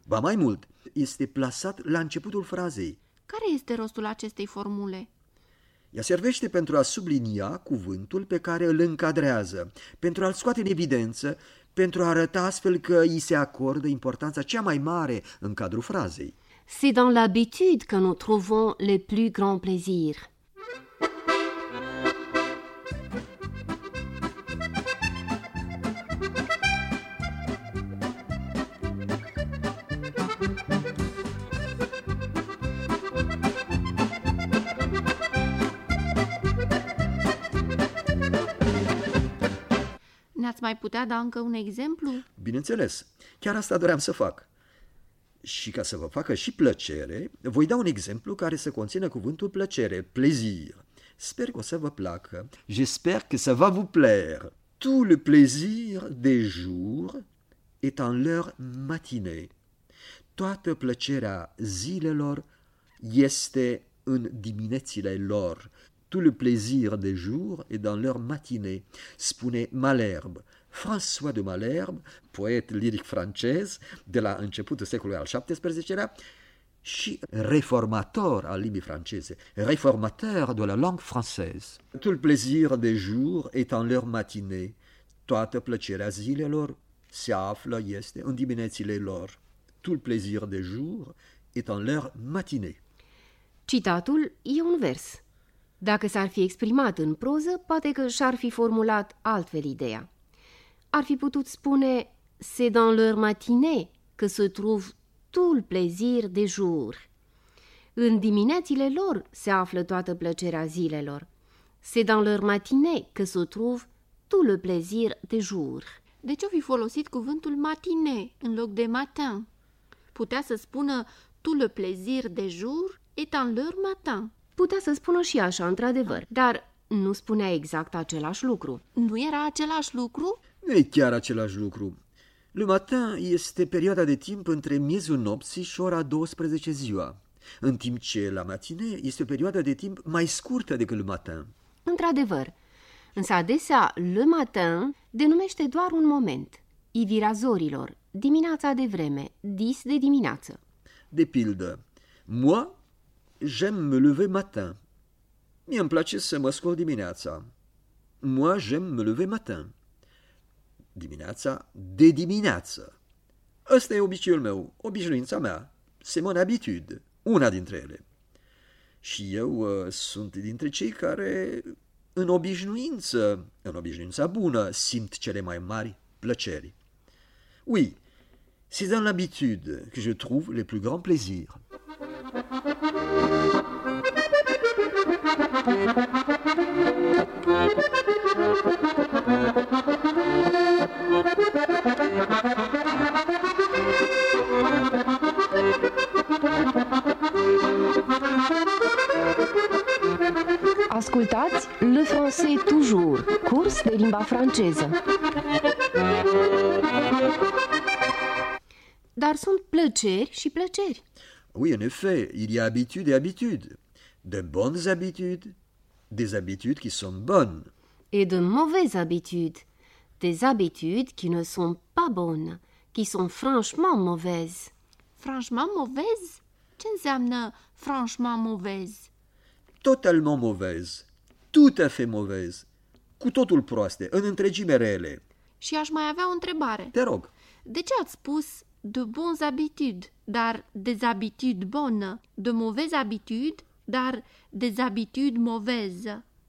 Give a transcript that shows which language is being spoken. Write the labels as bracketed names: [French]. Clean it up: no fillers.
[Romanian] Ba mai mult, este plasat la începutul frazei. Care este rostul acestei formule? Ea servește pentru a sublinia cuvântul pe care îl încadrează, pentru a-l scoate în evidență, pentru a arăta astfel că îi se acordă importanța cea mai mare în cadrul frazei. [French] C'est dans l'habitude que nous trouvons les plus grands plaisirs. [Romanian] Ne-ați mai putea da încă un exemplu? Bineînțeles. Chiar asta doream să fac. Și ca să vă facă și plăcere, voi da un exemplu care să conțină cuvântul plăcere, plaisir. Sper că o să vă placă. [French] J'espère que ça va vous plaire. Tout le plaisir des jours est en leur matinée. [Romanian] Toată plăcerea zilelor este în diminețile lor. [French] Tout le plaisir des jours est dans leur matinée, [Romanian] spune Malherbe. François de Malherbe, poet liric francez de la începutul secolului al XVII-lea și reformator al limbii franceze, [French] reformateur de la langue française. Tout le plaisir des jours est en leur matinée. [Romanian] Toată plăcerea zilelor se află, este, în diminețile lor. [French] Tout le plaisir des jours est en leur matinée. [Romanian] Citatul e un vers. Dacă s-ar fi exprimat în proză, poate că și-ar fi formulat altfel ideea. Ar fi putut spune: [French] c'est dans leur matinée que se trouve tout le plaisir des jours. [Romanian] În diminețile lor se află toată plăcerea zilelor. [French] C'est dans leur matinée que se trouve tout le plaisir des jours. [Romanian] De ce o fi folosit cuvântul matinée în loc de matin? Putea să spună: [French] tout le plaisir des jours est en leur matin. [Romanian] Putea să spună și așa, într-adevăr, dar nu spunea exact același lucru. Nu era același lucru? Nu e chiar același lucru. Le matin este perioada de timp între miezul nopții și ora 12 ziua, în timp ce la matinée este o perioadă de timp mai scurtă decât le matin. Într-adevăr, însă adesea le matin denumește doar un moment, ivirea zorilor, dimineața de vreme, dis de dimineață. De pildă, [French] moi, j'aime me lever matin. [Romanian] Mie îmi place să mă scol dimineața. [French] Moi, j'aime me lever matin. [Romanian] Dimineața, de dimineață. Ăsta e obiceiul meu, obișnuința mea. [French] C'est mon habitude, [Romanian] una dintre ele. Și eu sunt dintre cei care, în obișnuința bună, simt cele mai mari plăceri. [French] Oui, c'est dans l'habitude que je trouve les plus grands plaisirs. [Romanian] Ascultați Le Français Toujours, curs de limba franceză. Dar sunt plăceri și plăceri. [French] Oui, en effet, il y a habitude et habitude. De bonnes habitudes, des habitudes qui sont bonnes. Et de mauvaises habitudes, des habitudes qui ne sont pas bonnes, qui sont franchement mauvaises. Franchement mauvaises? [Romanian] Ce înseamnă [French] franchement mauvaises? Totalement mauvaises, tout à fait mauvaises, [Romanian] cu totul proaste, în întregime rele. Și aș mai avea o întrebare. Te rog. De ce ați spus de bons habitudes, dar des habitudes bonnes, de mauvaises habitudes, dar des habitudes mauvaises?